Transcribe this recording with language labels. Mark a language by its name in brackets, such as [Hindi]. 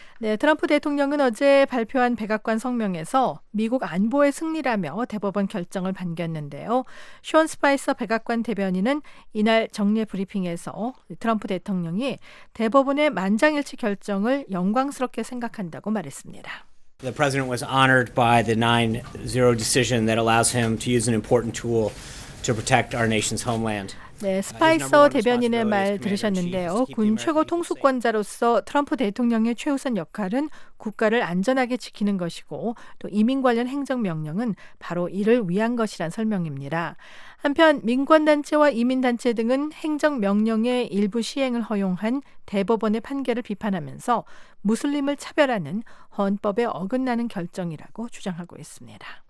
[Korean] 네, 트럼프 대통령은 어제 발표한 백악관 성명에서 미국 안보의 승리라며 대법원 결정을 반겼는데요. 숀 스파이서 백악관 대변인은 이날 정례 브리핑에서 트럼프 대통령이 대법원의 만장일치 결정을 영광스럽게 생각한다고 말했습니다. [English] The president was honored by the 9-0 decision that allows him to use an important tool to protect our nation's homeland. [Korean] 네, 스파이서 대변인의 말 들으셨는데요. 군 최고 통수권자로서 트럼프 대통령의 최우선 역할은 국가를 안전하게 지키는 것이고 또 이민 관련 행정명령은 바로 이를 위한 것이란 설명입니다. 한편 민관단체와 이민단체 등은 행정명령의 일부 시행을 허용한 대법원의 판결을 비판하면서 무슬림을 차별하는 헌법에 어긋나는 결정이라고 주장하고 있습니다.